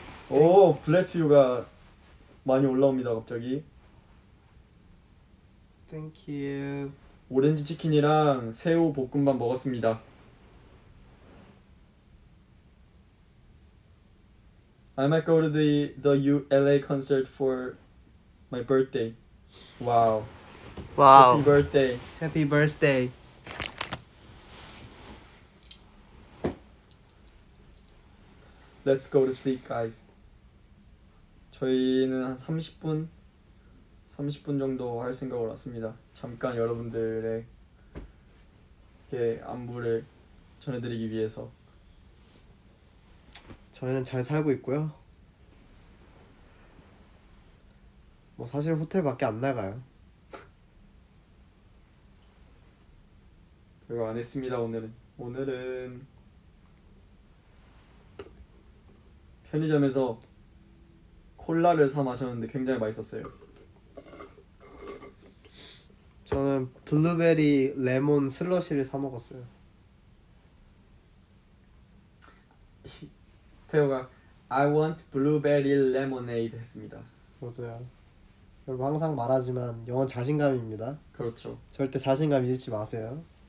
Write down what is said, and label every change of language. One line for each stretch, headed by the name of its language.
Korean: 오,
English: bless you
Korean: 가 많이 올라옵니다, 갑자기.
English: Thank you.
Korean: 오렌지 치킨이랑 새우 볶음밥 먹었습니다.
English: I might go to the LA concert for my birthday. Wow. Happy Wow. birthday. Happy birthday. 렛츠 고투 슬립 가이즈.
Korean: 저희는 한 30분 정도 할 생각으로 왔습니다. 잠깐 여러분들의 안부를 전해드리기 위해서. 저희는 잘 살고 있고요. 뭐 사실 호텔밖에 안 나가요. 별거 안 했습니다, 오늘은. 오늘은 편의점에서 콜라를 사 마셨는데 굉장히 맛있었어요. 저는 블루베리 레몬 슬러시를 사 먹었어요. 태호가
English: I want blueberry lemonade
Korean: 했습니다. 맞아요. 여러분 항상 말하지만 영어 자신감입니다. 그렇죠. 절대 자신감 잃지 마세요.